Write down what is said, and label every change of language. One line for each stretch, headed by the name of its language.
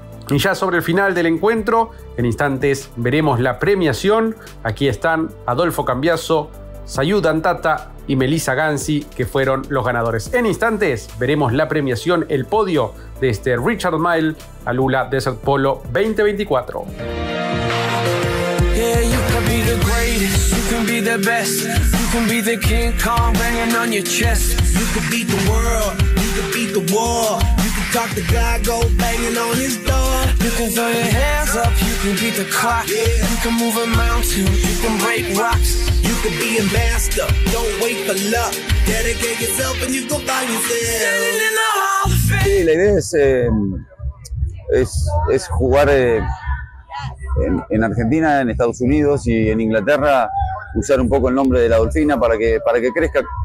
Spanish: Y ya sobre el final del encuentro, en instantes veremos la premiación. Aquí están Adolfo Cambiaso, Sayud Antata y Melissa Gansi, que fueron los ganadores. En instantes veremos la premiación, el podio de este Richard Mille Alula Desert Polo 2024.
English: Yeah, you can be the greatest, you can be the best. You can be the King Kong banging on your chest. You can beat the world, you can beat the war. You can talk to God, go banging on his door. You can throw your hands up, you can beat the clock. You can move a mountain, you can break rocks. You can be a master, don't wait for luck. Dedicate yourself and you go find yourself. Standing in the Hall of Fame.
Spanish: Sí, la idea es jugar en Argentina, en Estados Unidos y en Inglaterra. Usar un poco el nombre de la Dolfina para que crezca